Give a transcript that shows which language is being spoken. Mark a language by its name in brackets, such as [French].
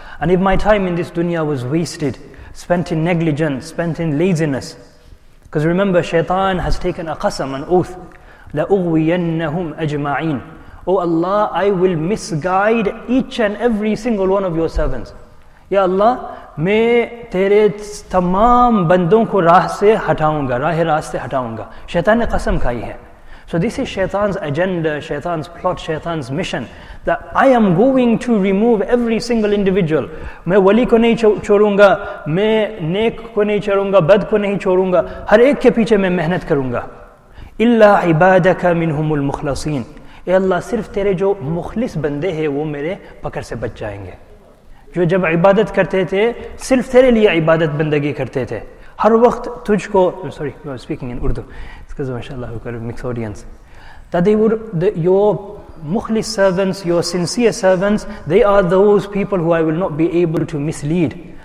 [English] And if my time in this dunya was wasted, spent in negligence, spent in laziness, because remember, shaitan has taken a qasam, an oath, [Arabic] لَأُغْوِيَنَّهُمْ أَجْمَعِينَ. [English] Oh Allah, I will misguide each and every single one of your servants. [Urdu] Ya Allah, میں تیرے تمام بندوں کو راہ سے ہٹاؤں گا, راہ راست سے ہٹاؤں گا. شیطان نے قسم کھائی ہے. [English] So this is shaitan's agenda, shaitan's plot, shaitan's mission, that I am going to remove every single individual. [Urdu] میں ولی کو نہیں چھوڑوں گا, میں نیک کو نہیں چھوڑوں گا, بد کو نہیں چھوڑوں گا, ہر ایک کے پیچھے میں محنت کروں گا. [Arabic] إِلَّا عِبَادَكَ مِنْهُمُ الْمُخْلَصِينَ. [Urdu] اے اللہ, صرف تیرے جو مخلص بندے ہیں وہ میرے پکڑ سے بچ جائیں گے. جو جب عبادت کرتے تھے صرف تیرے لیے عبادت بندگی کرتے تھے, ہر وقت تجھ کو, [English] sorry, I'm speaking in Urdu, it's because mashallah we've got a mixed audience, that they were your mukhlis servants, your sincere servants, they are those people who I will not be able to mislead.